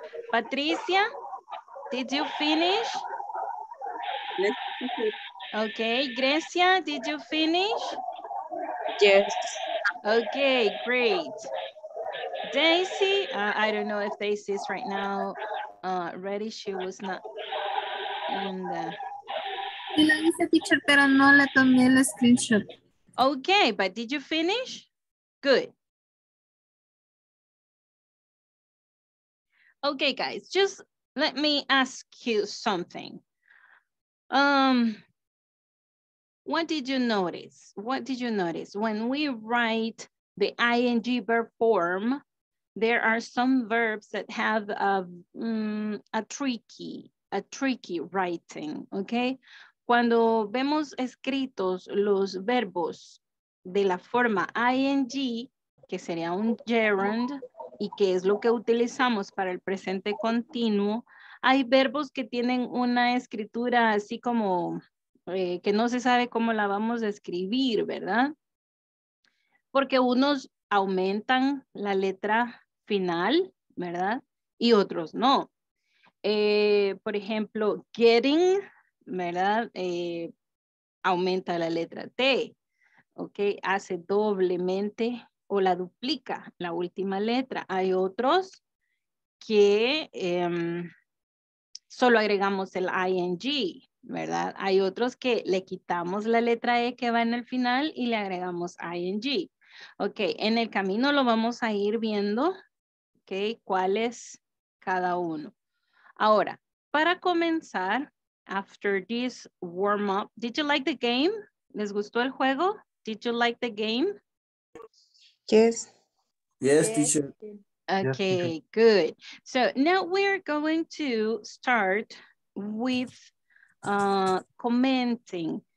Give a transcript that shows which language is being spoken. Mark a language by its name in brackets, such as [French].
[English] Patricia? Did you finish? Yes. Okay, Grecia, did you finish? Yes. Okay, great. Daisy, I don't know if Daisy is right now ready. She was not in the... [Spanish] Sí, la hice, teacher, pero no le tomé el screenshot. [English] Okay, but did you finish? Good. Okay, guys, just... Let me ask you something. What did you notice? When we write the ing verb form, there are some verbs that have a tricky writing, okay? [Spanish] Cuando vemos escritos los verbos de la forma ing, que sería un gerund, y que es lo que utilizamos para el presente continuo, hay verbos que tienen una escritura así como que no se sabe cómo la vamos a escribir, ¿verdad? Porque unos aumentan la letra final, ¿verdad? Y otros no. Por ejemplo, getting, ¿verdad? Aumenta la letra T, ¿ok? Hace doblemente o la duplica la última letra. Hay otros que... solo agregamos el ing, ¿verdad? Hay otros que le quitamos la letra E que va en el final y le agregamos ing. Ok, en el camino lo vamos a ir viendo, ok, cuál es cada uno. Ahora, para comenzar, [English] after this warm up, did you like the game? [Spanish] ¿Les gustó el juego? [English] Did you like the game? Yes. Yes, teacher. Okay, good. So now we're going to start with commenting.